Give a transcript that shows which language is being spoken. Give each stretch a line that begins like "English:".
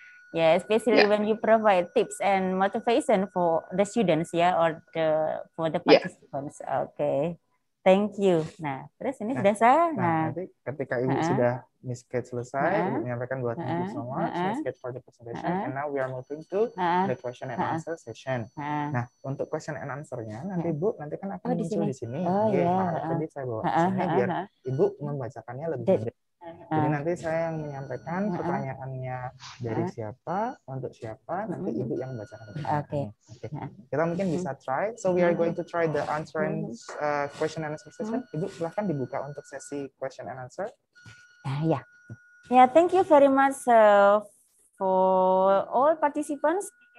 English: Yeah, especially yeah, when you provide tips and motivation for the students, yeah, or the for the participants. Yeah. Okay, thank you.
Indonesian: Nah, terus ini sudah saya. Nah, nanti ketika ibu sudah
English: Miss Kate selesai, ibu menyampaikan buat ibu semua, Miss Kate for the presentation, and now we are moving to the question and answer session.
Indonesian: Nah, untuk
English: question and answer-nya,
Indonesian: nanti ibu nanti kan akan muncul di sini. Oh, iya. Okay. Nah, tadi saya bawa sini biar ibu membacakannya lebih mudah. Jadi nanti saya yang menyampaikan pertanyaannya dari siapa, untuk siapa, nanti ibu yang baca. Oke.
English: Okay. Okay. Kita mungkin bisa try. So we are going to try the answer and question and answer session.
Indonesian: Ibu silahkan dibuka untuk sesi question and answer. Ya. Yeah.
English: Yeah, thank you very much for all participants.